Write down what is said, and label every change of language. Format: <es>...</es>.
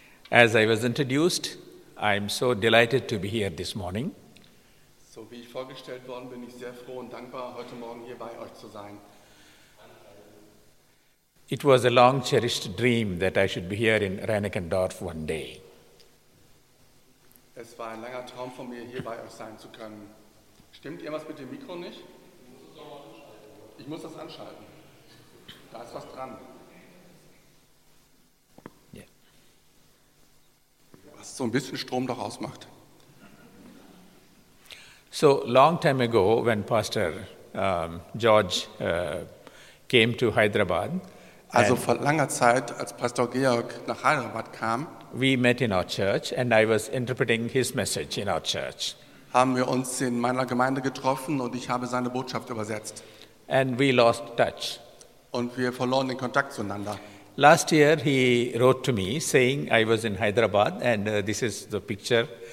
<en>As I was introduced, I'm so delighted to be here this morning.</en> <de>So wie ich vorgestellt worden bin, ich sehr froh und dankbar, heute Morgen hier bei euch zu sein.</de> <en>It was a long cherished dream that I should be here in Reinickendorf one day.</en> <de>Es war ein langer Traum von mir, hier bei euch sein zu können. Stimmt irgendwas mit dem Mikro nicht? Ich muss das anschalten. Da ist was dran. Yeah. Was so ein bisschen Strom doch ausmacht.</de> <en>So long time ago, when Pastor George came to Hyderabad,</en> <de>also vor langer Zeit, als Pastor Georg nach Hyderabad kam,</de> <en>we met in our church, and I was interpreting his message in our church.</en> <de>Haben wir uns in meiner Gemeinde getroffen und ich habe seine Botschaft übersetzt.</de> <en>And we lost touch.</en> <de>Und wir verloren den Kontakt zueinander.</de> <en>Last year, he wrote to me saying I was in Hyderabad, and this is the picture.</en>